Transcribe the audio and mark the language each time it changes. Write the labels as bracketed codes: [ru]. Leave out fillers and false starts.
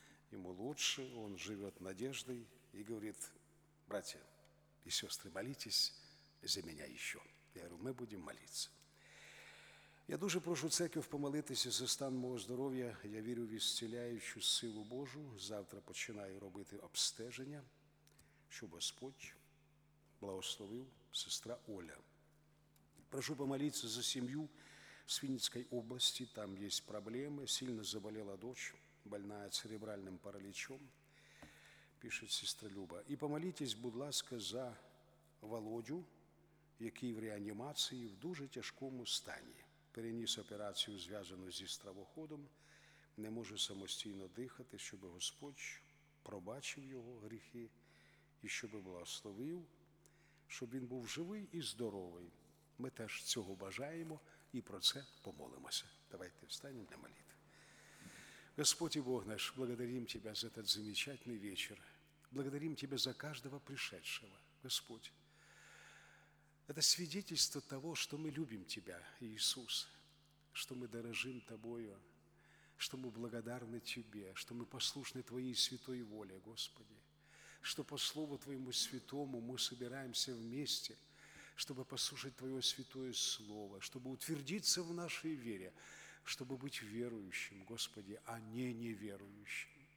[ru] Ему лучше, он живет надеждой и говорит, братья и сестры, молитесь за меня еще. Я говорю, мы будем молиться. [uk] Я дуже прошу церковь помолитися за стан моего здоровья. [ru] Я верю в исцеляющую силу Божию. [uk] Завтра починаю робити обстеження, щоб Господь благословил сестра Оля. [ru] Прошу помолиться за семью в Свинницкой области. Там есть проблемы. Сильно заболела дочь, больная церебральным параличом, пишет сестра Люба. И помолитесь, [uk] будь ласка, за Володю, який в реанімації в дуже тяжкому стані. Переніс операцію, зв'язану зі стравоходом, не може самостійно дихати, щоб Господь пробачив його гріхи і щоб благословив, щоб він був живий і здоровий. Ми теж цього бажаємо і про це помолимося. Давайте встанемо для молитви. [ru] Господь і Бог наш, благодарим Тебя за этот замечательный вечер. Благодарим Тебя за каждого пришедшего, Господь. Это свидетельство того, что мы любим Тебя, Иисус, что мы дорожим Тобою, что мы благодарны Тебе, что мы послушны Твоей святой воле, Господи, что по Слову Твоему Святому мы собираемся вместе, чтобы послушать Твое святое Слово, чтобы утвердиться в нашей вере, чтобы быть верующим, Господи, а не неверующим.